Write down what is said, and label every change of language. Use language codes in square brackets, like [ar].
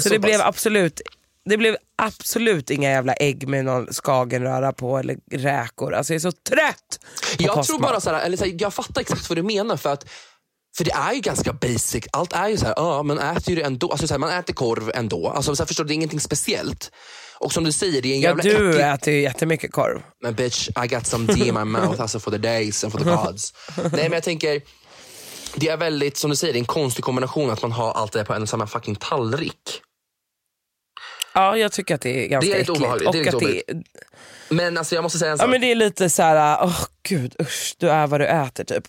[sv] så det blev absolut, det blev absolut inga jävla ägg med någon skagenröra på eller räkor. Alltså jag är så trött. Jag tror bara så här, eller så här, jag fattar exakt vad du menar, för det är ju ganska basic. Allt är ju så här, man äter ju det ändå. Alltså så här, man äter korv ändå. Alltså så här, förstår du, det är ingenting speciellt. Och som du säger, det är en jävla du äter ju jättemycket korv. Men [en] bitch, I got some tea in my mouth, [sv] alltså [en] for the days and for the gods. [sv] Nej, men jag tänker, det är väldigt, som du säger, det är en konstig kombination att man har allt det på en samma fucking tallrik. Ja, jag tycker att det är ganska äckligt. Det är lite obehagligt. Det är lite obehagligt. Men alltså jag måste säga en sak. Ja, men det är lite så här, gud, usch, du är vad du äter typ.